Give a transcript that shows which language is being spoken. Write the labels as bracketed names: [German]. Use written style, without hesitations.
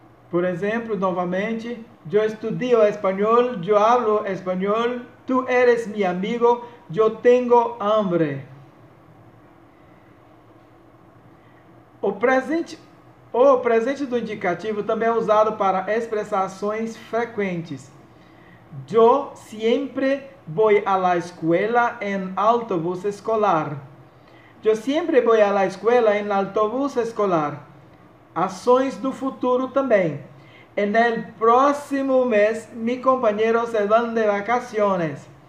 [Portuguese] Por exemplo, novamente, [Spanish] yo estudio español, yo hablo español, tú eres mi amigo, yo tengo hambre. [Portuguese] O presente do indicativo também é usado para expressar ações frequentes. [Spanish] Yo siempre voy a la escuela en autobús escolar. Yo siempre voy a la escuela en autobús escolar. [Portuguese] Ações do futuro também. [Spanish] En el próximo mes, mis compañeros se van de vacaciones.